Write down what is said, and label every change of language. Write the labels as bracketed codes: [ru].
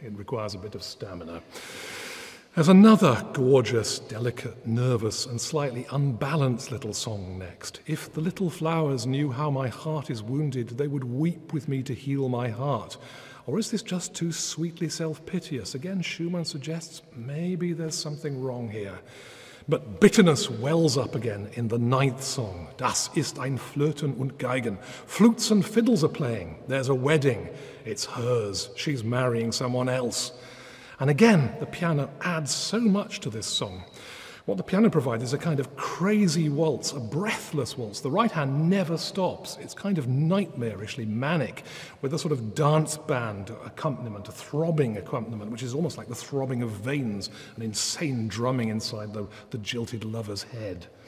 [en] It requires a bit of stamina. There's another gorgeous, delicate, nervous, and slightly unbalanced little song next. If the little flowers knew how my heart is wounded, they would weep with me to heal my heart. Or is this just too sweetly self-piteous? Again, Schumann suggests maybe there's something wrong here. But bitterness wells up again in the ninth song. [de] Das ist ein Flöten und Geigen. [en] Flutes and fiddles are playing. There's a wedding. It's hers. She's marrying someone else. And again, the piano adds so much to this song. What the piano provides is a kind of crazy waltz, a breathless waltz. The right hand never stops. It's kind of nightmarishly manic, with a sort of dance band accompaniment, a throbbing accompaniment, which is almost like the throbbing of veins, an insane drumming inside the jilted lover's head.